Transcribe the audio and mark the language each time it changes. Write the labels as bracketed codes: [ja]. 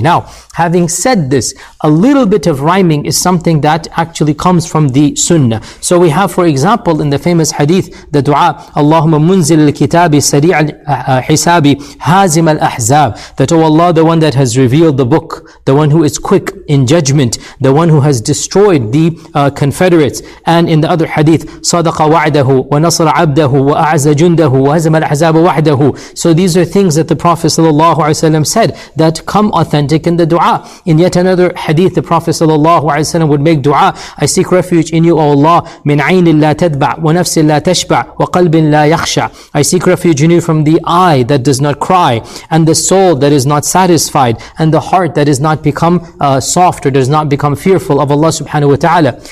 [en] Now, having said this, a little bit of rhyming is something that actually comes from the sunnah. So we have, for example, in the famous hadith, the dua, [ar] Allahumma munzil al-kitabi sari' al-hisabi hazim al-ahzab, [en] that, oh Allah, the one that has revealed the book, the one who is quick in judgment, the one who has destroyed the confederates. And in the other hadith, [ar] صَدَقَ وَعْدَهُ وَنَصَرَ عَبْدَهُ وَأَعْزَ جُنْدَهُ وَهَزَمَ الْأَحْزَابَ وَحْدَهُ. [en] So these are things that the Prophet sallallahu alaihi wasallam said that come authentic in the dua. In yet another hadith, the Prophet sallallahu alaihi wasallam would make dua, I seek refuge in you, O Allah, [ar] مِنْ عَيْنٍ لَا تَدْبَعْ وَنَفْسٍ لَا تَشْبَعْ وَقَلْبٍ لَا يَخْشَعْ. [en] I seek refuge in you from the eye that does not cry, and the soul that is not satisfied, and the heart that is not become soft or does not become fearful of Allah subhanahu wa ta'ala.